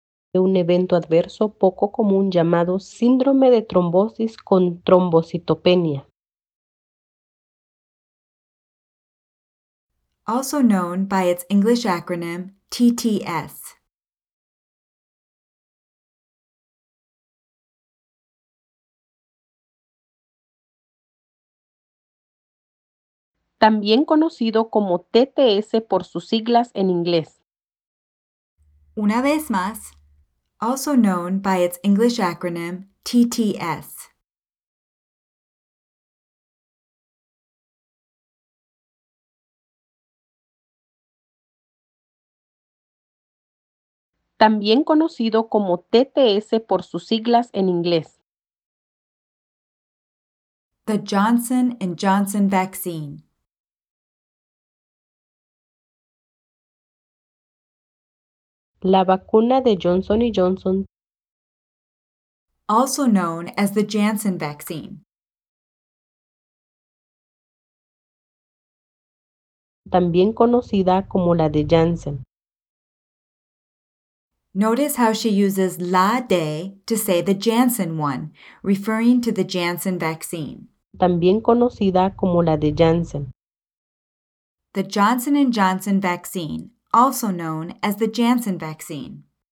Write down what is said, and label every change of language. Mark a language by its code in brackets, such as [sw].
[es] Un evento adverso poco común llamado síndrome de trombosis con trombocitopenia. [en] Also known by its English acronym TTS. [es] También conocido como TTS por sus siglas en inglés. Una vez más, [en] also known by its English acronym TTS. [es] También conocido como TTS por sus siglas en inglés. [en] The Johnson & Johnson vaccine. [es] La vacuna de Johnson & Johnson. [en] Also known as the Janssen vaccine. [es] También conocida como la de Janssen. [en] Notice how she uses la de to say the Janssen one, referring to the Janssen vaccine. [es] También conocida como la de Janssen. [en] The Johnson & Johnson vaccine, also known as the Janssen vaccine.